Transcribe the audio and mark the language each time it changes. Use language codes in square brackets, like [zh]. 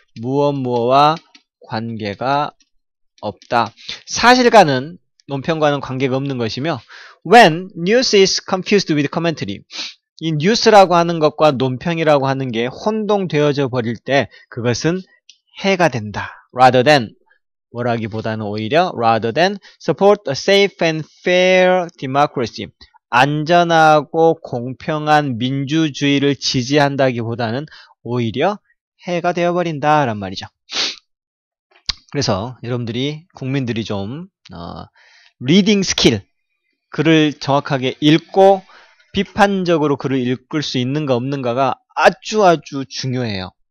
[ko] 무엇 무엇와 관계가 없다. 사실과는 논평과는 관계가 없는 것이며 [en] when news is confused with commentary. [ko] 이 뉴스라고 하는 것과 논평이라고 하는 게 혼동되어져 버릴 때 그것은 해가 된다. [en] rather than [ko] 뭐라기보다는 오히려 [en] rather than support a safe and fair democracy. [ko] 안전하고 공평한 민주주의를 지지한다기보다는 오히려 해가 되어버린다란 말이죠. 그래서 여러분들이 국민들이 좀 리딩 스킬 글을 정확하게 읽고 비판적으로 글을 읽을 수 있는가 없는가가 아주 아주 중요해요.